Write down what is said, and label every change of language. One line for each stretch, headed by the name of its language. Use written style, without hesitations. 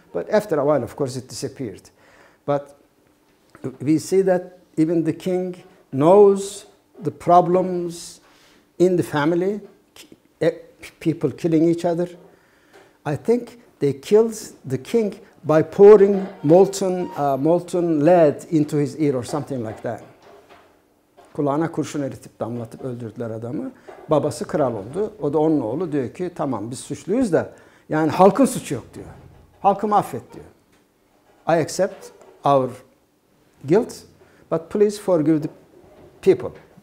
English: But after a while, of course, it disappeared. But we see that even the king knows the problems in the family, people killing each other. I think they killed the king by pouring molten lead into his ear or something like that.
Turkish: Kulağına kurşun eritip damlatıp öldürdüler adamı. Babası kral oldu. O da onun oğlu diyor ki tamam biz suçluyuz da yani halkın suçu yok diyor. Halkı affet diyor.
English: I accept our guilt but please forgive the people.